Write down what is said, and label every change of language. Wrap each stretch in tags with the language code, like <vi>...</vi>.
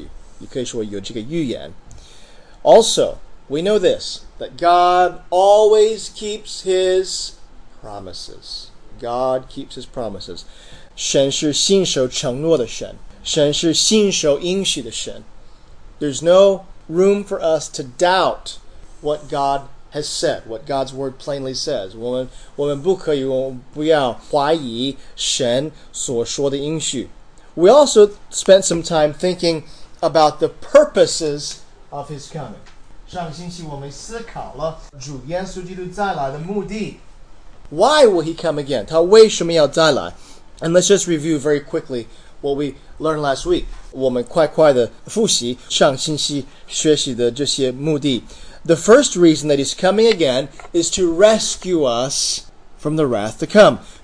<zh>这个应许非常非常清楚，也是非常宝贵的应许，就是主耶稣基督要再来，有这个应许，你可以说有这个预言。</zh> <en>Also, we know this, that God always keeps His promises. God keeps His promises.</en> <zh>神是信守承诺的神，神是信守应许的神。</zh> <en>There's no room for us to doubt what God has said, what God's word plainly says.</en> <zh>我们不可以，我们不要怀疑神所说的应许。</zh> <en>We also spent some time thinking about the purposes of His coming.</en> <zh>上星期我们思考了主耶稣基督再来的目的。</zh> <en>Why will He come again?</en> <zh>他为什么要再来?</zh> <en>And let's just review very quickly what we learned last week.</en> <zh>我们快快地复习上星期学习的这些目的。</zh> <en>The first reason that He's coming again is to rescue us from the wrath to come.</en>